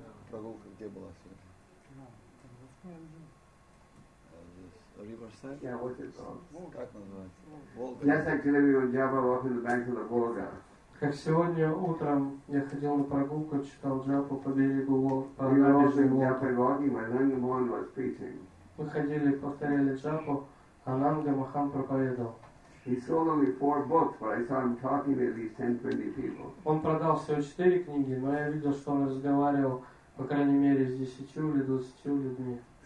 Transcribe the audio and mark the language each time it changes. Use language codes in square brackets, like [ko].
[ru] Прогулка где была сегодня? [en] Riverside? Yeah, what is it called? Volga. Yes, actually, we were Java walk in the banks of the Volga. [ru] Как сегодня утром я ходил на прогулку, читал джапу по берегу Волги. Мы ходили, повторяли джапу, а Нанга Махан проповедовал. Он продал всего 4 книги, но я видел, что он разговаривал, по крайней мере, с 10 или 20 людьми.